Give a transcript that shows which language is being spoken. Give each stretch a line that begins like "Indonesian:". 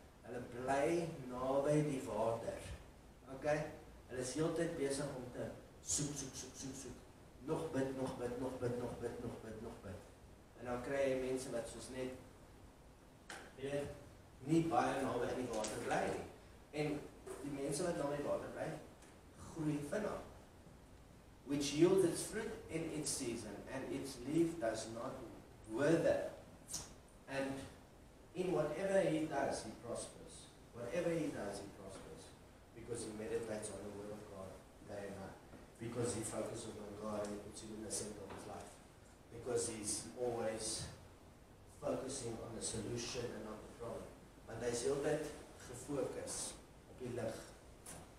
Afrikaans: Hulle bly naby die water. Okay? Hulle is heeltyd besig om te soek, soek, soek, soek, soek. Nog bid, nog bid, nog bid, nog bid, nog bid, nog bid. En dan kry jy mense wat soos net nie baie naby die water bly nie. En die mense wat naby die water bly, groei vinnig.
English: Which yields its fruit in its season, and its leaf does not wither. And in whatever he does, he prospers. Whatever he does, he prospers. Because he meditates on the word of God day and night. Because he focuses on God and he puts him in the center of his life. Because he's always focusing on the solution and not the problem.
Afrikaans: But hy is altyd gefokus op die lig.